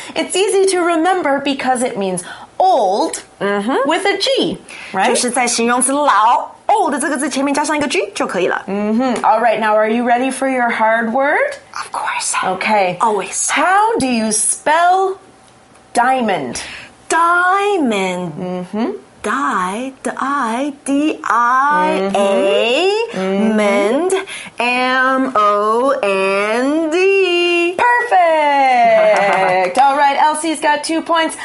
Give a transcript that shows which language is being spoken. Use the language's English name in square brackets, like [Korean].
[English] It's easy to remember because it means old、 mm-hmm. with a G, right? [Chinese] 就是在形容词老 old 这个字前面加上一个 G 就可以了。 [English] Mm-hmm. All right, now are you ready for your hard word? Of course. Okay. Always. How do you spell diamond? Diamond. Mm-hmm. Diamond, M-O-N-D. Perfect. All right, Elsie's got 2 points.